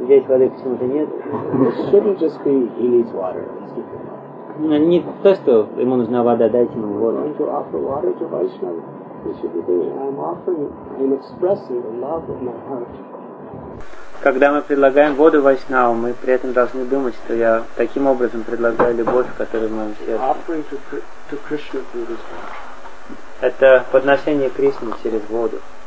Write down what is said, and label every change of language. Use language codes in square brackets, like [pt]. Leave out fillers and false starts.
[ru] Здесь воды почему-то нет. [en] Shouldn't just be he needs water. [ru] Не то, что ему нужна вода, дайте ему воду. [en] I'm to offer water to Vaishnava. This should be the way. I'm offering and expressing the love of my heart. [ru] Когда мы предлагаем воду Вайшнаву, мы при этом должны думать, что я таким образом предлагаю любовь, которая в моем сердце. Это подношение Кришне через воду.